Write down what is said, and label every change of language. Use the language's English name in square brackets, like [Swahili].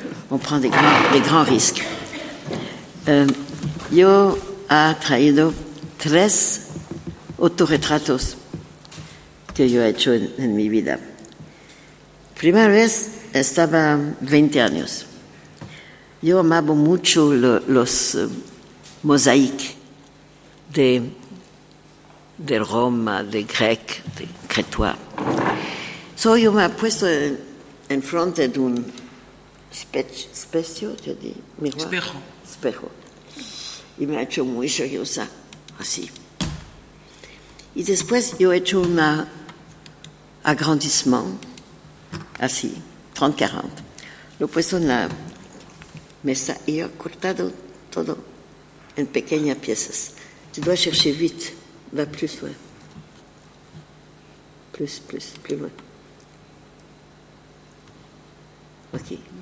[French] On prend des grands risques. [Spanish] Yo he traído 3 autorretratos que yo he hecho en mi vida. Primera vez estaba 20 años. Yo amaba mucho los mosaicos de Roma, [French] de Grec, de Cretois. [Spanish] So yo me he puesto en frente de un espejo. Y me ha hecho muy seriosa, así. Y después yo he hecho [French] un agrandissement, [Spanish] así, 30-40. Lo he puesto en la mesa y he cortado todo en pequeñas piezas. [French] Tu dois chercher vite, va plus loin. Plus loin. Ok.